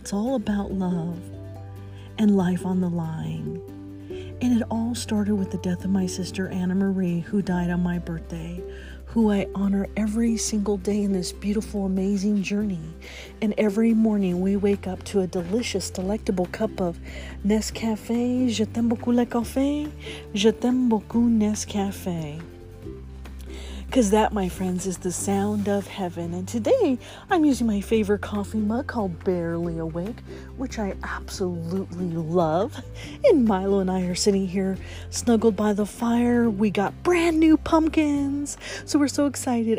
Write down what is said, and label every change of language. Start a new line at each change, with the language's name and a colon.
English: It's all about love and life on the line. And it all started with the death of my sister, Anna Marie, who died on my birthday, who I honor every single day in this beautiful, amazing journey. And every morning we wake up to a delicious, delectable cup of Nescafe.
French: Je t'aime beaucoup le café. Je t'aime beaucoup Nescafe.
English: Because that, my friends, is the sound of heaven. And today, I'm using my favorite coffee mug called Barely Awake, which I absolutely love. And Milo and I are sitting here snuggled by the fire. We got brand new pumpkins, so we're so excited.